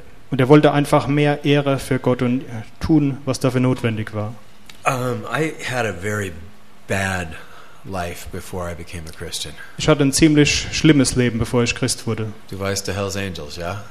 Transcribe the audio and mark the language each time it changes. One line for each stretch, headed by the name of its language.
German: Und er wollte einfach mehr Ehre für Gott und tun, was dafür notwendig war.
English: I had a very bad life before I became a Christian.
German: Ich hatte ein ziemlich schlimmes Leben, bevor ich Christ wurde. Du weißt die Hell's Angels, ja?